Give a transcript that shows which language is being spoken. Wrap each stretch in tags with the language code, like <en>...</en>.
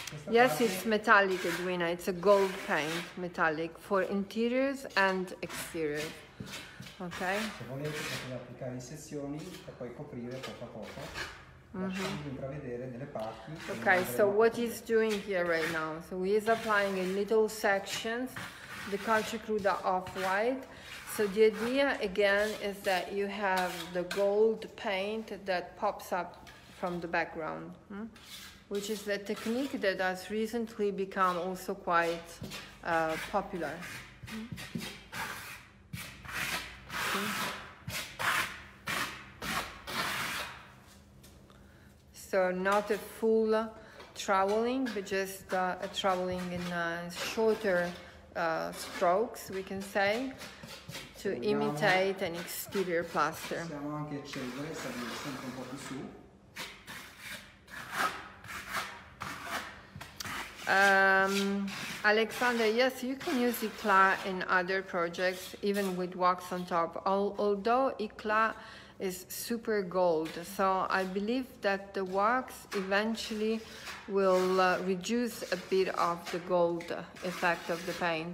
<en>Yes, it's metallic, Edwina, it's a gold paint, metallic for interiors and exteriors. Okay.</en> <it>Se volete potete applicare in sezioni e poi coprire poco a poco, lasciando intravedere delle parti.</it> <en>Okay, so what he's doing here right now? So he is applying in little sections the CalceCruda off-white. So the idea again is that you have the gold paint that pops up from the background. which is the technique that has recently become also quite popular. So not a full troweling, but just a troweling in shorter strokes, we can say, to imitate an exterior plaster.</en> <it>Possiamo anche accendere, salire sempre un po' più su.</it> <en>Alexander, yes, you can use eclat in other projects, even with wax on top, although eclat is super gold. So I believe that the wax eventually will reduce a bit of the gold effect of the paint.</en>